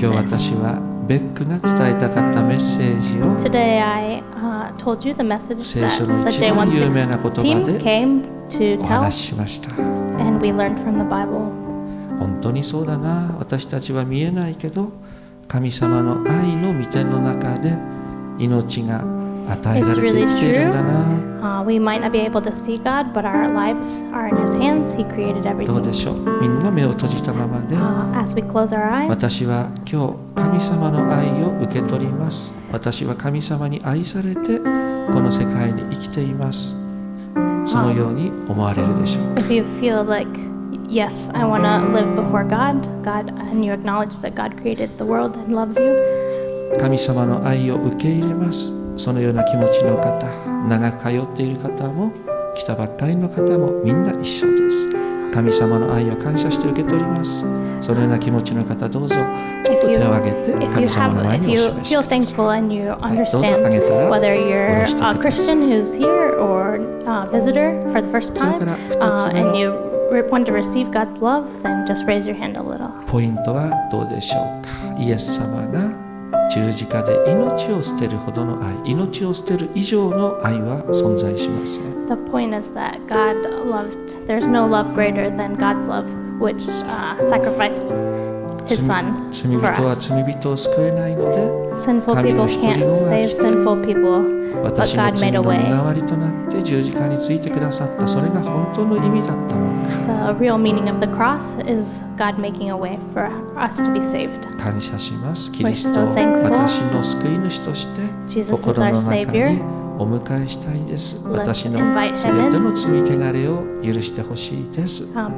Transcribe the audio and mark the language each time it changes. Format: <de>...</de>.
<ja>今日私はベックが伝えたかったメッセージを</ja> <en>Today I, told you the message</en> <ja>聖書の一番有名な言葉でお話ししました。</ja> <en>And we learned from the Bible.</en> <ja>本当にそうだな。私たちは見えないけど神様の愛の御手の中で命が与えられて生きているんだな。</ja> <en>We might not be able to see God, but our lives are in His hands. He created everything.</en> <ja>どうでしょう。みんな目を閉じたままで。</ja> <en>As we close our eyes.</en> <ja>私は今日神様の愛を受け取ります。私は神様に愛されてこの世界に生きています。そのように思われるでしょうか。</ja> <en>If you feel likeYes, I want to live before God. God, and you acknowledge that God created the world and loves you.</en> <ja>神様の愛を受け入れます。そのような気持ちの方、長く通っている方も、来たばっかりの方も、みんな一緒です。神様の愛を感謝して受け取ります。そのような気持ちの方、どうぞ、ちょっと手を挙げて、神様の前にお示しください。</ja> <en>If you feel thankful and you understand、</en> <ja>はい、</ja> <en>whether you're a Christian who's here or a visitor for the first time, and you want to receive God's love, then just raise your hand a little.</en> <ja>ポイントはどうでしょうか。イエス様が十字架で命を捨てるほどの愛、命を捨てる以上の愛は存在しません。</ja> <en>The point is that God loved. There's no love greater than God's love, which sacrificed His Son for us.</en> <ja>罪人は罪人を救えないので、</ja> <en>sinful people can't save sinful people.</en> <ja>私の罪の身代わりとなって十字架についてくださった、それが本当の意味だったのか。</ja> <en>The real meaning of the cross is God making a way for us to be saved.</en> <ja>感謝します。キリストを私の救い主として心の中にお迎えしたいです。私の全ての罪汚れを許してほしいです。</ja>